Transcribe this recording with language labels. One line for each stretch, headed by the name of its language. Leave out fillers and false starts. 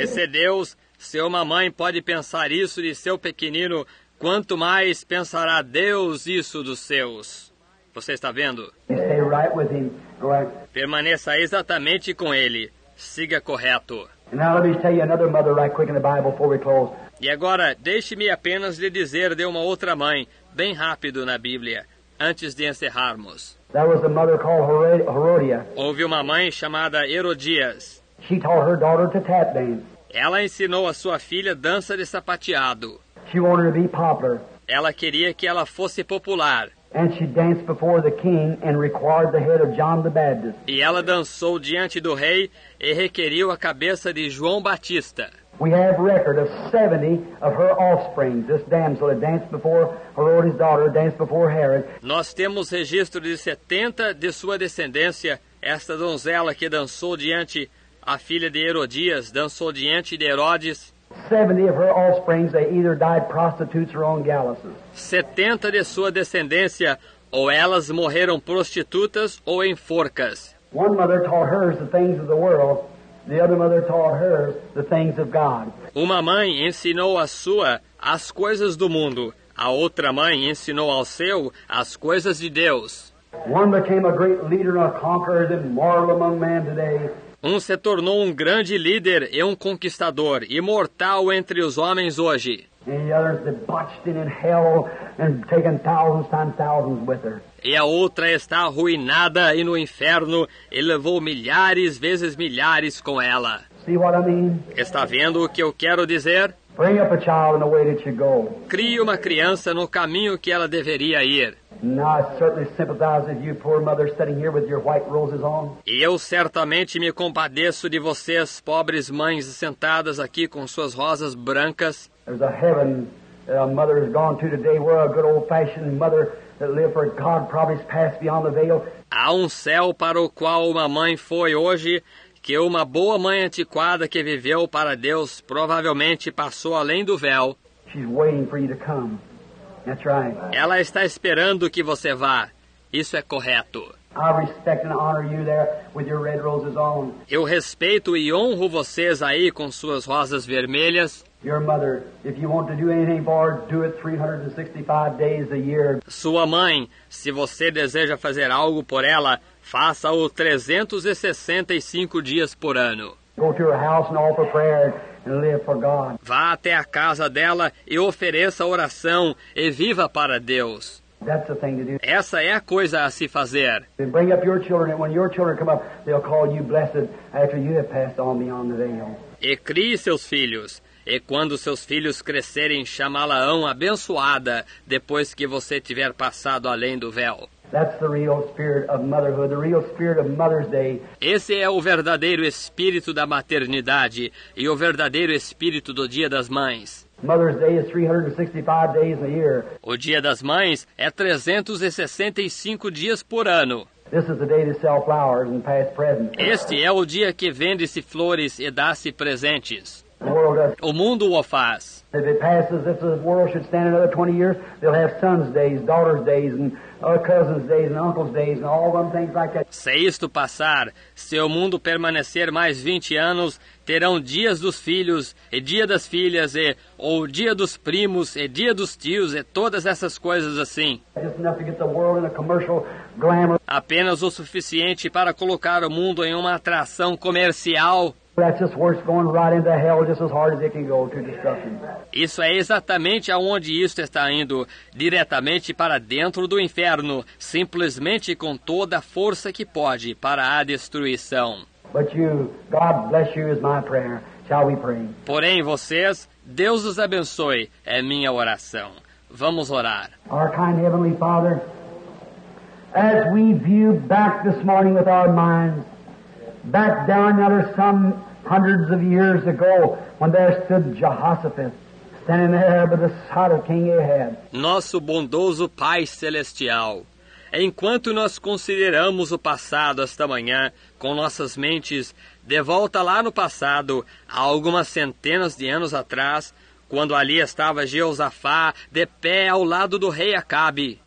Portuguese: Esse Deus, se uma mãe pode pensar isso de seu pequenino, quanto mais pensará Deus isso dos seus? Você está vendo?
English: Stay right with him. Go ahead.
Portuguese: Permaneça exatamente com ele. Siga correto.
English: Now let me tell you another mother right quick in the Bible before we close.
Portuguese: E agora, deixe-me apenas lhe dizer de uma outra mãe, bem rápido na Bíblia, antes de encerrarmos.
English: That was a mother called Herodias.
Portuguese: Houve uma mãe chamada Herodias.
English: She taught her daughter to tap dance.
Portuguese: Ela ensinou a sua filha dança de sapateado.
English: She wanted to be popular.
Portuguese: Ela queria que ela fosse popular.
English: And she danced before the king and required the head of John the Baptist.
Portuguese: E ela dançou diante do rei e requeriu a cabeça de João Batista.
English: We have record of 70 of her offspring. This damsel had danced before Herod's daughter, danced before Herod.
Portuguese: Nós temos registro de 70 de sua descendência, esta donzela que dançou diante a filha de Herodias, dançou diante de Herodes.
English: 70 of her offspring, they either died prostitutes or on gallows.
Portuguese: 70 de sua descendência, ou elas morreram prostitutas ou em forcas.
English: One mother taught hers the things of the world. The other mother taught her the things of God.
Portuguese: Uma mãe ensinou a sua as coisas do mundo. A outra mãe ensinou ao seu as coisas de Deus.
English: One became a great leader and a conqueror and immortal among men today.
Portuguese: Um se tornou um grande líder e um conquistador imortal entre os homens hoje.
English: And the other debauched in hell and taken thousands times thousands with her.
Portuguese: E a outra está arruinada e no inferno e levou milhares vezes milhares com ela.
English: See what I mean?
Portuguese: Está vendo o que eu quero dizer?
English: Bring up a child in the way that you go.
Portuguese: Crie uma criança no caminho que ela deveria ir.
English: Now, I certainly sympathize with you, poor mother, sitting here with your white roses on.
Portuguese: E eu certamente me compadeço de vocês, pobres mães sentadas aqui com suas rosas brancas.
English: There's a heaven that a mother has gone to today where a good old-fashioned mother that lived for God probably passed beyond the veil.
Portuguese: Há um céu para o qual uma mãe foi hoje, que uma boa mãe antiquada que viveu para Deus provavelmente passou além do véu.
English: She's waiting for you to come. That's right.
Portuguese: Ela está esperando que você vá. Isso é correto.
English: I respect and honor you there with your red roses on.
Portuguese: Eu respeito e honro vocês aí com suas rosas vermelhas.
English: Your mother, if you want to do anything for her, do it 365 days a year.
Portuguese: Sua mãe, se você deseja fazer algo por ela, faça-o 365 dias por ano.
English: Go to her house and offer prayer and live for God.
Portuguese: Vá até a casa dela e ofereça oração e viva para Deus.
English: That's the thing to do.
Portuguese: Essa é a coisa a se fazer.
English: Then bring up your children, and when your children come up, they'll call you blessed after you have passed on beyond the veil.
Portuguese: E crie seus filhos. E quando seus filhos crescerem, chamá-la-ão abençoada depois que você tiver passado além do véu.
English: That's the real spirit of motherhood, the real spirit of Mother's Day.
Portuguese: Esse é o verdadeiro espírito da maternidade e o verdadeiro espírito do Dia das Mães.
English: Mother's Day is 365 days a year.
Portuguese: O Dia das Mães é 365 dias por ano.
English: This is the day to sell flowers and pass presents.
Portuguese: Este é o dia que vende-se flores e dá-se presentes. O mundo o faz.
English: If it passes, if the world should stand another 20 years, they'll have sons' days, daughters' days, and cousins' days, and uncles' days, and all them things like that.
Portuguese: Se isto passar, se o mundo permanecer mais 20 anos, terão dias dos filhos e dia das filhas e ou dia dos primos e dia dos tios e todas essas coisas assim.
English: Just enough to get the world in a commercial glamour.
Portuguese: Apenas o suficiente para colocar o mundo em uma atração comercial.
English: That's just worse going right into hell just as hard as it can go to destruction.
Portuguese: Isso é exatamente aonde isto está indo, diretamente para dentro do inferno, simplesmente com toda a força que pode para a destruição.
English: But you, God bless you is my prayer. Shall we pray?
Portuguese: Porém vocês, Deus os abençoe, é minha oração. Vamos orar.
English: Our kind heavenly Father, as we view back this morning with our minds, back down under some hundreds of years ago when there stood Jehoshaphat, standing there by the side of King Ahab.
Portuguese: Nosso bondoso Pai Celestial, enquanto nós consideramos o passado esta manhã com nossas mentes, de volta lá no passado, há algumas centenas de anos atrás, quando ali estava Jeosafá, de pé ao lado do rei Acabe.